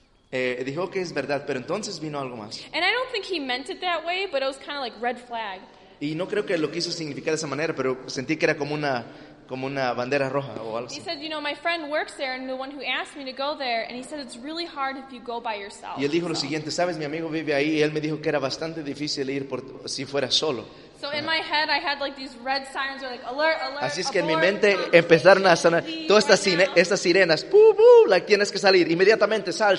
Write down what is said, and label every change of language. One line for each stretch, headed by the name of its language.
Spanish: Dijo que es verdad, pero entonces vino algo más.
English: And I don't think he meant it that way, but it was kind of like red flag.
Spanish: Y no creo que lo quiso significar de esa manera, pero sentí que era como una bandera roja o algo así.
English: He said, you know, my friend works there and the one who asked me to go there and he said it's really hard if you go by yourself.
Spanish: Y él dijo lo siguiente, sabes, mi amigo vive ahí y él me dijo que era bastante difícil ir por si fuera solo.
English: So in my head I had like these red sirens were like alert, alert.
Spanish: Así es que en mi mente empezaron a sonar todas estas estas sirenas, boom, boom, like tienes que salir inmediatamente, sal.